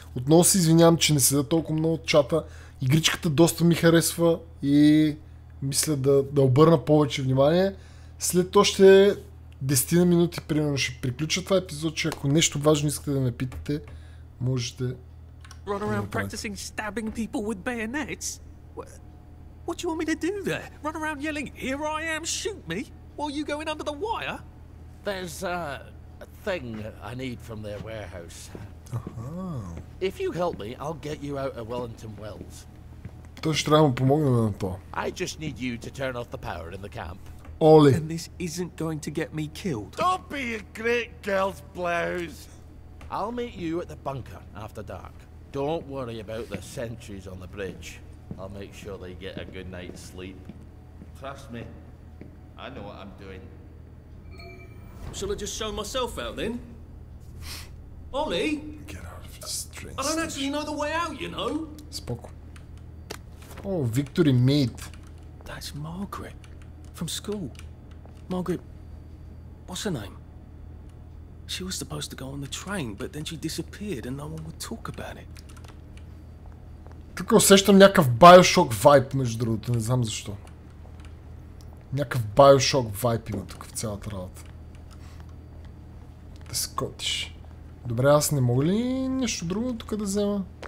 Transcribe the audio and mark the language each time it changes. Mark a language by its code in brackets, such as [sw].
[bg] Отново се извинявам, че не седа толкова много от чата. Игричката доста ми харесва и мисля да обърна повече внимание. След още 10 минути, примерно, ще приключа това епизод, че ако нещо важно искате да ме питате, можете... [en] Run around practicing stabbing people with bayonets? What do you want me to do there? Run around yelling, here I am, shoot me, while you go in under the wire? There's a thing I need from their warehouse. Uh-huh. If you help me, I'll get you out of Wellington Wells. [bg] Той ще трябва да му помогне на това. [en] I just need you to turn off the power in the camp. Ollie. And this isn't going to get me killed. Don't be a great girl's blouse. I'll meet you at the bunker after dark. Don't worry about the sentries on the bridge. I'll make sure they get a good night's sleep. Trust me. I know what I'm doing. Shall I just show myself out then? Ollie? Get out of this train station. I don't actually know the way out, you know. Spock. Oh, Victory Mead. That's Margaret. From school. Margaret, what's her name? She was supposed to go on the train, but then she disappeared and no one would talk about it. [bg] Тук усещам някакъв Bioshock вайб, между другото, не знам защо. Някакъв Bioshock вайб има тук в цялата работа. Да скотиш. Добре, аз не мога ли нещо друго тук да взема?